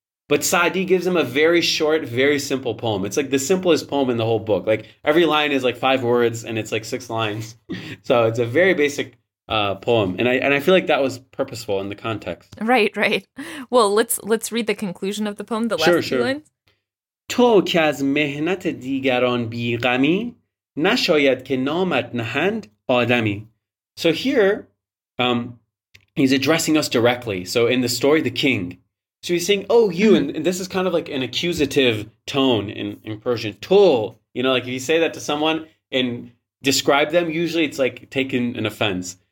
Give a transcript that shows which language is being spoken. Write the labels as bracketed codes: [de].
[en] But Sa'di gives him a very short, very simple poem. It's like the simplest poem in the whole book. Like every line is like five words and it's like six lines. So it's a very basic poem. And I feel like that was purposeful in the context. Right, right. Well, let's read the conclusion of the poem, the last few lines. [fa] تو که از مهنت دیگران بیغمی نشاید که نامت نهند آدمی. [en] So here, he's addressing us directly. So in the story, the king. So he's saying, oh, you, and this is kind of like an accusative tone in Persian. تو, you know, like if you say that to someone and describe them, usually it's like taking an offense.